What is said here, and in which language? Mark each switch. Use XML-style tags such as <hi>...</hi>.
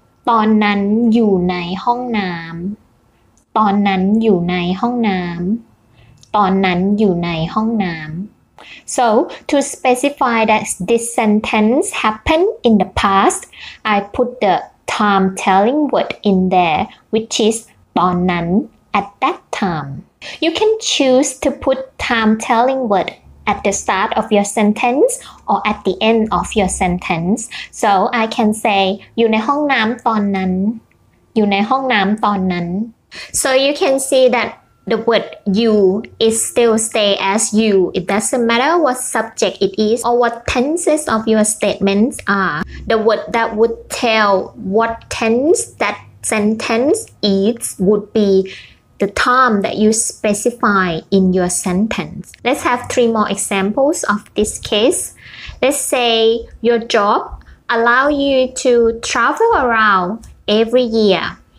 <th>ตอนนั้นอยู่ในห้องน้ำตอนนั้นอยู่ในห้องน้ำตอนนั้นอยู่ในห้องน้ำ</th> <en>So, to specify that this sentence happened in the past, I put the time telling word in there, which is ตอนนั้น at that time. You can choose to put time telling wordAt the start of your sentence or at the end of your sentence. So I can say,</en> <th>อยู่ในห้องน้ำตอนนั้น อยู่ในห้องน้ำตอนนั้น</th> <en>So you can see that the word you is still stay as you. It doesn't matter what subject it is or what tenses of your statements are. The word that would tell what tense that sentence is would be. The time that you specify in your sentence. Let's have three more examples of this case. Let's say your job allow you to travel around every year.</en>